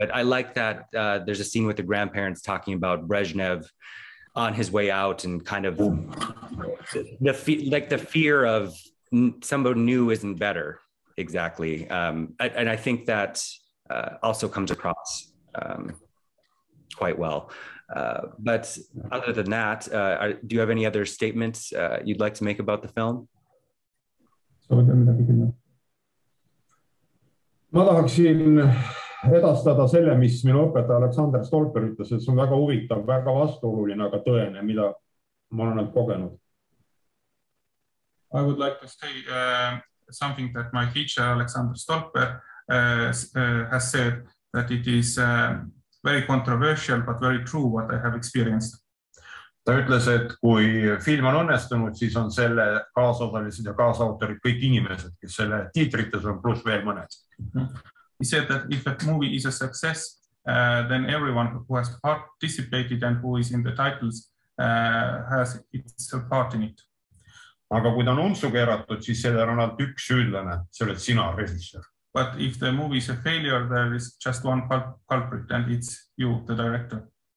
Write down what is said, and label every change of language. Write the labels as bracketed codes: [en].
[en] But I like that there's a scene with the grandparents talking about Brezhnev on his way out and kind of the fear of somebody new isn't better, exactly. And I think that also comes across quite well. But other than that, do you have any other statements you'd like to make about the film? [et] Ma tahaksin edastada selle, mis minu õpetaja Aleksandr Stolper ütles, et see on väga huvitav, väga vastuoluline, aga tõene, mida ma olen kogenud. [en] I would like to say something that my teacher, Aleksandr Stolper, has said, that it is very controversial, but very true what I have experienced. [et] Ta ütles, et kui film on õnnestunud, siis on selle kaasosalised ja kaasautorid kõik inimesed, kes selle tiitrites on plus veel mõned. [en] He said that if a movie is a success, then everyone who has participated and who is in the titles has its part in it. [et] Aga kui ta on untsu keeratud, siis selle on alt üks süüdlane, selle sina režissör. [en] But if the movie is a failure, there is just one culprit and it's you, the director.